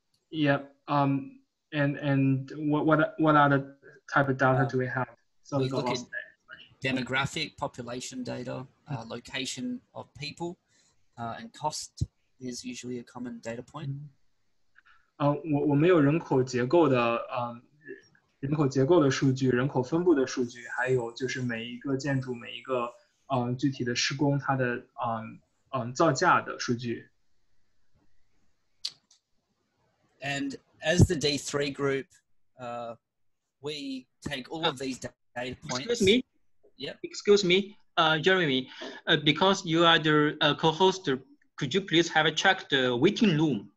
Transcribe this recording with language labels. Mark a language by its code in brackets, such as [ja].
[en] Yep. And what are the type of data do we have? So we look at demographic, population data, location of people, and cost is usually a common data point. [zh] 我们有人口结构的人口结构的数据，人口分布的数据，还有就是每一个建筑，每一个具体的施工，它的造价的数据。 [en] And as the D3 group, we take all of these data points. Excuse me. Jeremy, because you are the co-host, could you please have a check the waiting room?